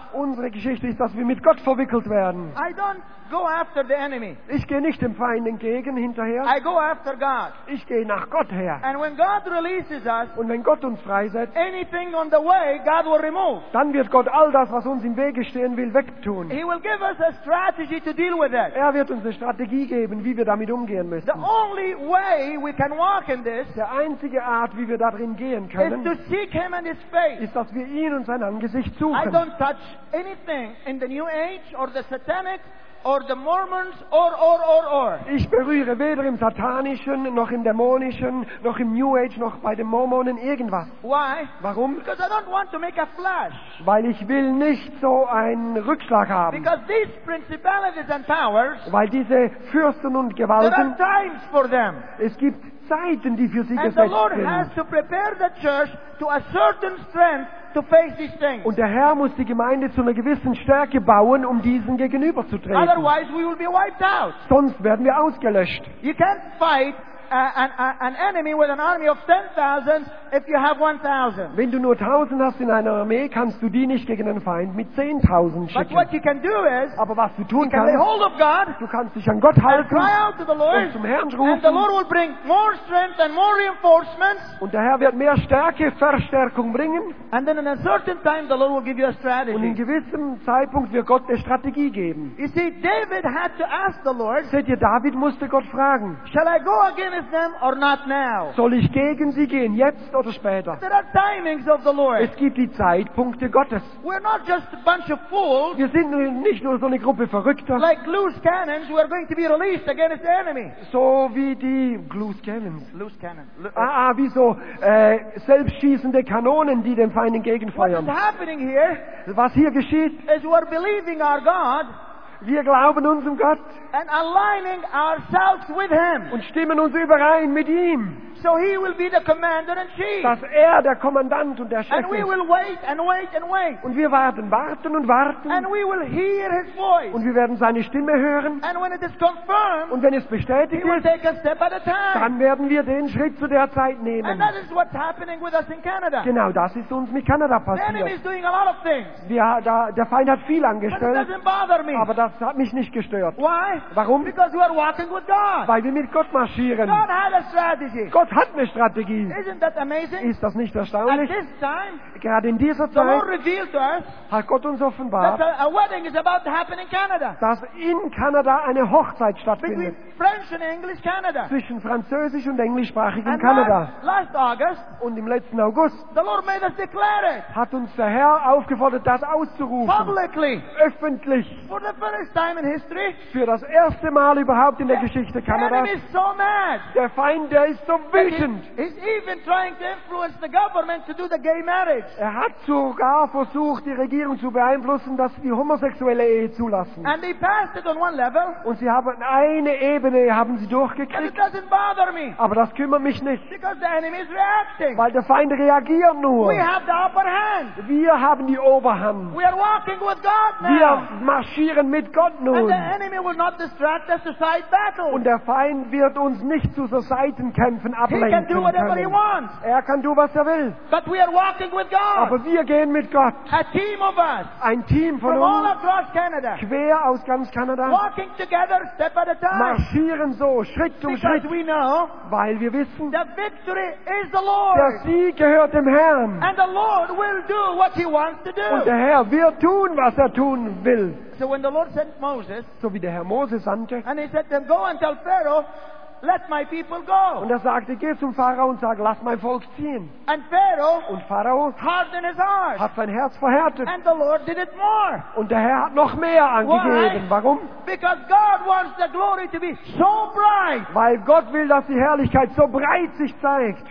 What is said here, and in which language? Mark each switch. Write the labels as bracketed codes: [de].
[de] Unsere Geschichte ist, dass wir mit Gott verwickelt werden. [en] I don't go after the enemy. [de] Ich gehe nicht dem Feind entgegen, hinterher. [en] I go after God. [de] Ich gehe nach Gott her. [en] And when God releases us, [de] und wenn Gott uns freisetzt, [en] anything on the way, God will remove. [de] Dann wird Gott all das, was uns im Wege stehen will, wegtun. [en] He will give us a strategy to deal with it. [de] Er wird uns eine Strategie geben, wie wir damit umgehen müssen. [en] The only way we can walk in this, [de] der einzige Art, wie wir darin gehen können, [en] is to seek him and his face. [de] Ist, dass wir ihn und sein Angesicht suchen. [en] I don't touch anything in the New Age or the Satanic or the Mormons or. [de] Ich berühre weder im Satanischen noch im Dämonischen noch im New Age noch bei den Mormonen irgendwas. [en] Why? [de] Warum? [en] Because I don't want to make a flash. [de] Weil ich will nicht so einen Rückschlag haben. [en] Because these principalities and powers, [de] weil diese Fürsten und Gewalten, [en] there are times for them. [de] Es gibt Zeiten, die für sie [en] and [de] gesetzt [en] the Lord [de] sind. [en] Has to prepare the church to a certain strength to face these things. [de] Und der Herr muss die Gemeinde zu einer gewissen Stärke bauen, um diesen gegenüberzutreten. [en] Otherwise we will be wiped out. [de] Sonst werden wir ausgelöscht. [en] You can't fight an enemy with an army of 10,000 if you have 1,000. [de] Wenn du nur 1,000 hast in einer Armee, kannst du die nicht gegen einen Feind mit 10,000 schicken. [en] But what you can do is, [de] aber was du tun [en] kannst, lay hold of God, [de] du kannst dich an Gott halten [en] and cry out to the Lord, [de] und zum Herrn rufen, [en] and the Lord will bring more strength and more reinforcements, [de] und der Herr wird mehr Stärke, Verstärkung bringen, [en] and then in a certain time the Lord will give you a strategy. [de] Und in gewissem Zeitpunkt wird Gott eine Strategie geben. [en] You see, David had to ask the Lord, [de] seht ihr, David musste Gott fragen, [en] shall I go again them or not now? [de] Soll ich gegen sie gehen, jetzt oder später? [en] There are timings of the Lord. [de] Es gibt die Zeitpunkte Gottes. [en] We're not just a bunch of fools. [de] Wir sind nicht nur so eine Gruppe Verrückter. [en] Like loose cannons, we're going to be released against the enemy. [de] So wie die loose cannons. [en] Loose cannon. [de] Wie so selbstschießende Kanonen, die dem Feind entgegenfeuern. [en] What is happening here? [de] Was hier geschieht? [en] Is we're believing our God. [de] Wir glauben unserem Gott [en] and aligning ourselves with him. [de] Und stimmen uns überein mit ihm, [en] so he will be the commander in chief. [de] Dass er der Kommandant und der Chef [en] and [de] ist. [en] We will wait and wait and wait. [de] Und wir werden warten und warten. [en] And we will hear his voice. [de] Und wir werden seine Stimme hören. [en] And when it is confirmed, [de] und wenn es bestätigt [en] he will [de] ist, [en] take a step at a time. [de] Dann werden wir den Schritt zu der Zeit nehmen. [en] And that is what's happening with us in Canada. [de] Genau das ist uns mit Kanada passiert. [en] The enemy is doing a lot of things. [de] Der Feind hat viel angestellt. [en] But it doesn't bother me. [de] Aber das hat mich nicht gestört. [en] Why? [de] Warum? [en] Because we are walking with God. [de] Weil wir mit Gott marschieren. [en] God had a strategy. [de] Gott hat eine Strategie. [en] Isn't that amazing? [de] Ist das nicht erstaunlich? [en] At this time, [de] gerade in dieser Zeit, [en] the Lord revealed to us, [de] hat Gott uns offenbart, [en] that a wedding is about to happen in Canada. [de] Dass in Kanada eine Hochzeit stattfindet. [en] Between French and English Canada. [de] Zwischen französisch und englischsprachigem [en] and [de] Kanada. [en] Last August, [de] und im letzten August, [en] the Lord made us declare it, [de] hat uns der Herr aufgefordert, das auszurufen. [en] Publicly, [de] öffentlich. [en] For the first time in history, [de] für das erste Mal überhaupt in der Geschichte Kanadas. [en] The enemy is so mad. [de] Der Feind, der ist so [en] he's even trying to influence the government to do the gay marriage. [de] Er hat sogar versucht, die Regierung zu beeinflussen, dass sie die homosexuelle Ehe zulassen. [en] And they passed it on one level. [de] Und sie haben eine Ebene haben sie durchgekriegt. [en] But it doesn't bother me. [de] Aber das kümmert mich nicht. [en] Because the enemy is reacting. [de] Weil der Feind reagiert nur. [en] We have the upper hand. [de] Wir haben die Oberhand. [en] We are walking with God now. [de] Wir marschieren mit mit Gott nun. [en] And the enemy will not distract us to side battle. [de] Und der Feind wird uns nicht zu so Seitenkämpfen ablenken. [en] He can do whatever he wants. [de] Er kann tun, was er will. [en] But we are walking with God. [de] Aber wir gehen mit Gott. [en] A team of us. [de] Ein Team von [en] from [de] uns. [en] All across Canada. [de] Quer aus ganz Kanada. [en] Walking together, step at a time. [de] Marschieren so, Schritt [en] because [de] um Schritt. [en] We know, [de] weil wir wissen, [en] the victory is the Lord. [de] Der Sieg gehört dem Herrn. [en] And the Lord will do what he wants to do. [de] Und der Herr wird tun, was er tun will. [en] So when the Lord sent Moses, [de] so wie der Herr Moses sandte, [en] and he said them, go and tell Pharaoh, let my people go. [de] Und er sagte, geh zum Pharao und sag, lass mein Volk ziehen. [en] And Pharaoh, [de] und Pharao [en] hardened his heart, [de] hat sein Herz verhärtet. [en] And the Lord did it more. [de] Und der Herr hat noch mehr angegeben. [en] Why? [de] Warum? [en] Because God wants the glory to be so bright. [de] Weil Gott will, dass die Herrlichkeit so breit sich zeigt.